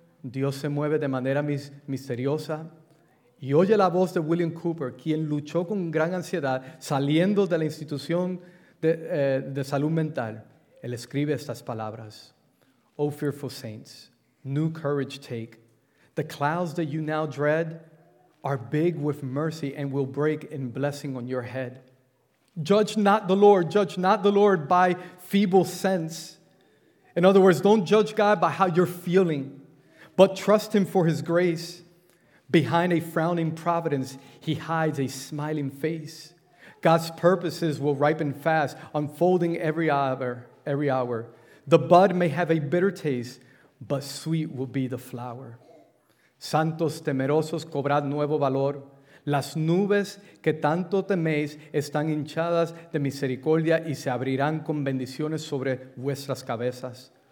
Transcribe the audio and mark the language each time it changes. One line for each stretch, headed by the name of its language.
Spanish: Dios se mueve de manera misteriosa. Y oye la voz de William Cooper, quien luchó con gran ansiedad saliendo de la institución de salud mental. Él escribe estas palabras.
English: O fearful saints, new courage take. The clouds that you now dread are big with mercy and will break in blessing on your head. Judge not the Lord by feeble sense. In other words, don't judge God by how you're feeling, but trust him for his grace. Behind a frowning providence, he hides a smiling face. God's purposes will ripen fast, unfolding every hour. The bud may have a bitter taste, but sweet will be the flower.
Spanish: Santos temerosos, cobrad nuevo valor. Las nubes que tanto teméis están hinchadas de misericordia y se abrirán con bendiciones sobre vuestras cabezas.